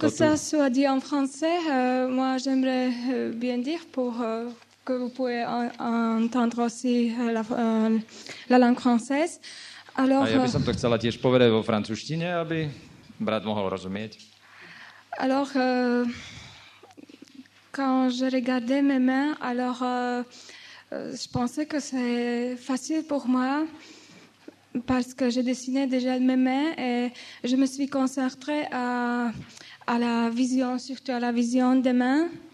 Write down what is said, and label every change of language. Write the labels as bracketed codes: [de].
[fr] Pour que ça soit dit en français, moi j'aimerais bien dire pour que vous pouvez entendre aussi la langue française. [sk] Alors, a ja by som to chcela tiež povedať vo francúzštine, aby brat mohol rozumieť. [fr] Alors, quand je regardais mes mains, alors je pensais que c'est facile pour moi parce que j'ai dessiné déjà mes mains et je me suis concentrée à la vision, surtout à la vision des mains.